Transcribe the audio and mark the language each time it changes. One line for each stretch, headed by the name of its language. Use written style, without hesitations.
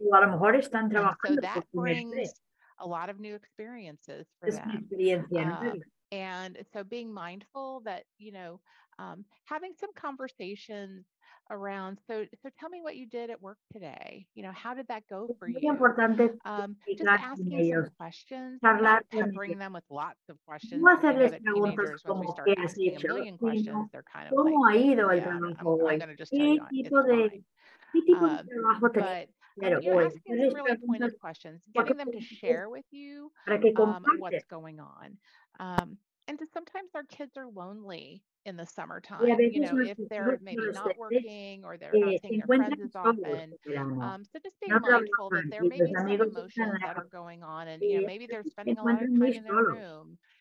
English: So that brings a lot of new experiences for them. And so being mindful that, you know, having some conversations around, so tell me what you did at work today. You know, how did that go for you? Just asking some questions, covering them with lots of questions.
Spanish: No hacerles preguntas como qué has hecho, cómo ha ido el trabajo hoy, qué tipo de trabajo te
English: Getting them to share with you what's going on. And sometimes our kids are lonely in the summertime, if they're maybe not working or they're not seeing their friends as often. So just being mindful that there may be some emotions that are going on, and you know, maybe they're spending a lot of time in their room.